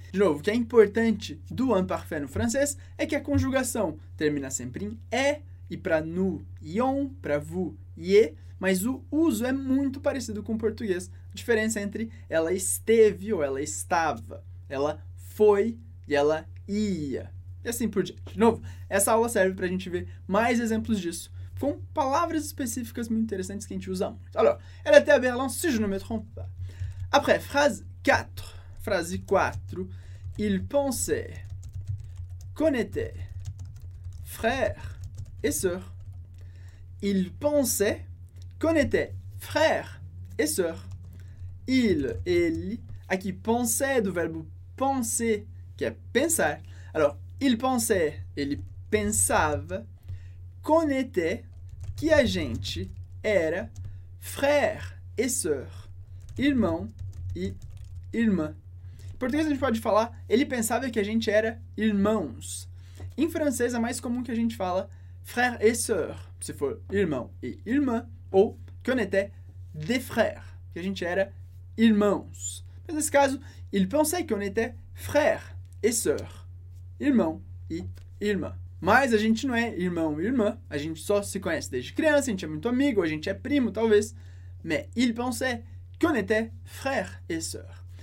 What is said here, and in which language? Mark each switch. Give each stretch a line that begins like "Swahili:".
Portuguese: De novo, o que é importante do imparfait no francês é que a conjugação termina sempre em é, e para nous, yon, para vous, ye, mas o uso é muito parecido com o português. A diferença entre ela esteve ou ela estava, ela foi e ela ia. E assim por diante. De novo, essa aula serve para a gente ver mais exemplos disso, com palavras específicas muito interessantes que a gente usa muito.
French: Alors, elle était à Berlin, si je ne me trompe pas. Après, phrase 4.
Portuguese: Frase 4.
French: Il pensait qu'on était frère et sœur. Il pensait qu'on était frère et sœur.
Portuguese: Il, ele, aqui pensait do verbo penser, que é pensar. Alors,
French: il pensait,
Portuguese: ele pensava,
French: qu'on était,
Portuguese: que a gente era
French: frère et sœur,
Portuguese: irmão e irmã. Em português a gente pode falar, ele pensava que a gente era irmãos. Em francês é mais comum que a gente fala
French: frère et sœur,
Portuguese: se for irmão e irmã, ou
French: qu'on était des frères,
Portuguese: que a gente era irmãos. Mas nesse caso,
French: il pensait qu'on était frère et sœur,
Portuguese: irmão e irmã. Mas a gente não é irmão e irmã, a gente só se conhece desde criança, a gente é muito amigo, a gente é primo, talvez.
French: Mais il pensait qu'on était frère et sœur.